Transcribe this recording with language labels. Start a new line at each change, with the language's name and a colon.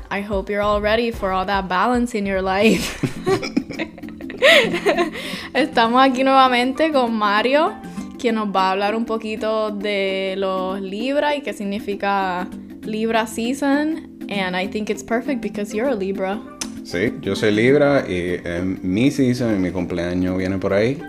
English: I hope you're all ready for all that balance in your life.
Spanish: Estamos aquí nuevamente con Mario, quien nos va a hablar un poquito de los Libra y qué significa Libra season.
English: And I think it's perfect because you're a Libra.
Spanish: Sí, yo soy Libra y es mi season y mi cumpleaños viene por ahí.